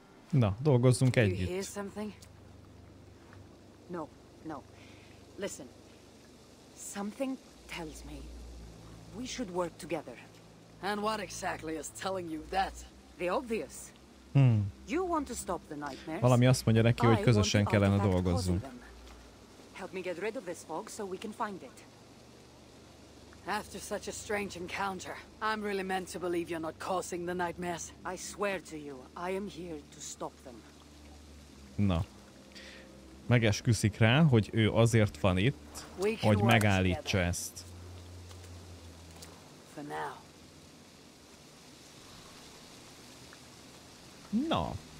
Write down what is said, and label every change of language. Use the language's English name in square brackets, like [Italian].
[Hungarian] Na, dolgozzunk együtt. [English] No, no. Listen. Something tells me we should work together. And what exactly is telling you that? The obvious. You want to stop the nightmares? [Hungarian] Valami azt mondja neki, hogy közösen kellene dolgozzunk. [English] Help me get rid of this fog so we can find it. After such a strange encounter, I'm really meant to believe you're not causing the nightmares. I swear to you, I am here to stop them. [Hungarian] Na. Megesküszik rá, hogy ő azért van itt, hogy megállítsa ezt. Na.